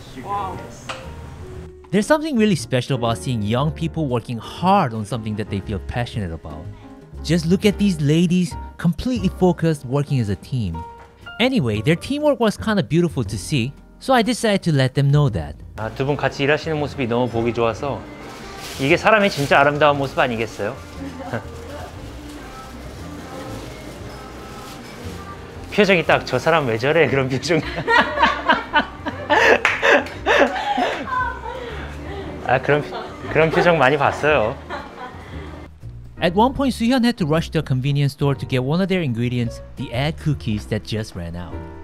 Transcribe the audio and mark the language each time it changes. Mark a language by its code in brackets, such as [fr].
[en] Wow. There's something really special about seeing young people working hard on something that they feel passionate about. Just look at these ladies, completely focused, working as a team. Anyway, their teamwork was kind of beautiful to see, so I decided to let them know that. [ko] 아, 두 분 같이 일하시는 모습이 너무 보기 좋아서 이게 사람의 진짜 아름다운 모습 아니겠어요? 표정이 딱 저 사람 왜 저래 그런 표정. 아 그런 표정 많이 봤어요. [en] At one point, Suhyun had to rush to a convenience store to get one of their ingredients, the egg cookies that just ran out.